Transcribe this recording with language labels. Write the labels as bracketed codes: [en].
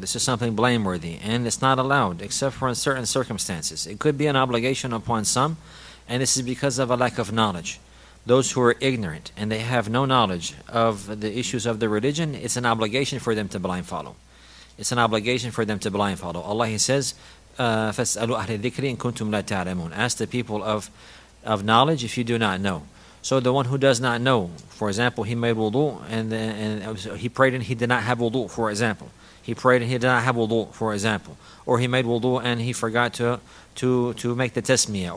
[en] This is something blameworthy, and it's not allowed except for in certain circumstances. It could be an obligation upon some, and this is because of a lack of knowledge. Those who are ignorant and they have no knowledge of the issues of the religion, it's an obligation for them to blindfold. It's an obligation for them to blindfold. Allah, He says, [ar] فَاسْأَلُوا أَهْلِ الذِّكْرِ إِن كُنْتُمْ لَا تَعْلَمُونَ. [en] Ask the people of knowledge if you do not know. So the one who does not know, for example, he made wudu and he prayed and he did not have wudu, for example. He prayed and he did not have wudu, for example. Or he made wudu and he forgot to make the tasmiyah.